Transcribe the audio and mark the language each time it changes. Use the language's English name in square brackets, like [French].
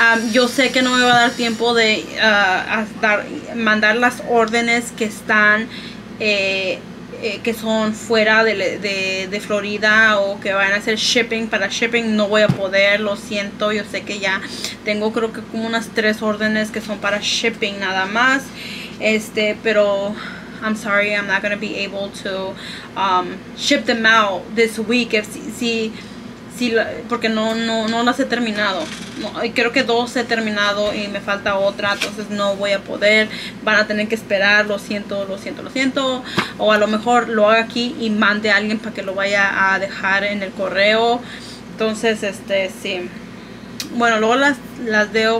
[Spanish] Yo sé que no me va a dar tiempo de mandar las órdenes que están, que son fuera de Florida, o que van a hacer shipping. Para shipping no voy a poder, lo siento. Yo sé que ya tengo, creo que como unas 3 órdenes que son para shipping nada más. Pero... [English] I'm sorry, I'm not going to be able to ship them out this week. [Spanish] Si, porque no las he terminado. No, creo que 2 he terminado y me falta otra. Entonces no voy a poder. Van a tener que esperar. Lo siento. O a lo mejor lo haga aquí y mande a alguien para que lo vaya a dejar en el correo. Entonces, sí. Bueno, luego las veo.